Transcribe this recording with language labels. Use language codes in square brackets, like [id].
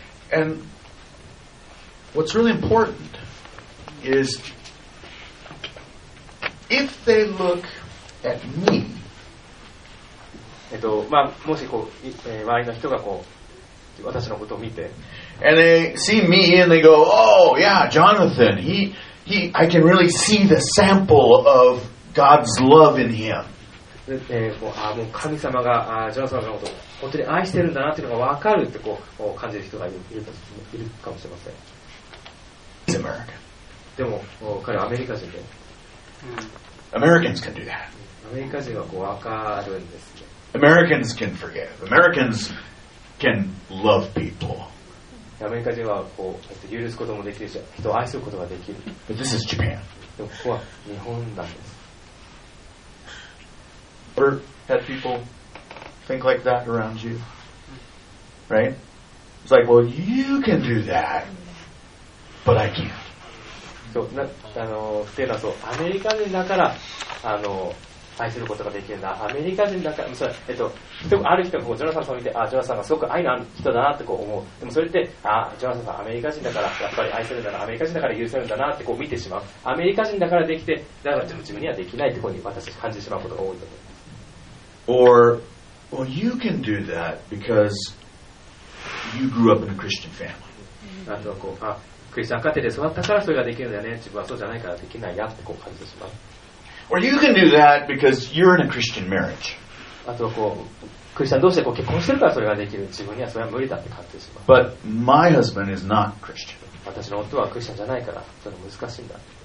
[en] And what's really important is if they look at me. [ja] まあ、もしこう、周りの人がこう私のことを見て、 [en] and they see me and they go, oh yeah, Jonathan, he, I can really see the sample of God's love in him. [ja] もう、もう神様がジョナサンのことを本当に愛してるんだなっていうのが分かるってこう感じる人がいるかもしれません。 [en] He's American. [ja] でも、彼はアメリカ人で。 [en] Americans can do that. [ja] アメリカ人はこう分かるんです。 [en] Americans can forgive. Americans can love people. [ja] アメリカ人はこう許すこともできるし、人を愛することができる。 [en] But this is Japan. [ja] でもここは日本なんです。 [en] Ever had people think like that around you? Right? It's like, well, you can do that, but I can't. [ja] そう、っていうのはそう、アメリカ人だから、愛することができるな。アメリカ人だから、それ、ある人がこうジョナサンさんを見て、あ、ジョナサンがすごく愛のある人だなってこう思う。でもそれって、あ、ジョナサンさんアメリカ人だから、やっぱり愛せるんだな、アメリカ人だから許せるんだなってこう見てしまう。アメリカ人だからできて、だから自分にはできないってこうに私たち感じてしまうことが多いと思います。 [en] Or, well, you can do that because you grew up in a Christian family. [ja] あとはこう、あ、クリスチャン家庭で育ったからそれができるんだよね。自分はそうじゃないからできないやってこう感じてしまう。 [en] Or you can do that because you're in a Christian marriage. [ja] あとこうクリスチャン同士でこう結婚してるからそれができる。自分にはそれは無理だって感じてしまう。 [en] But my husband is not Christian. [ja] 私の夫はクリスチャンじゃないからそれ難しいんだ。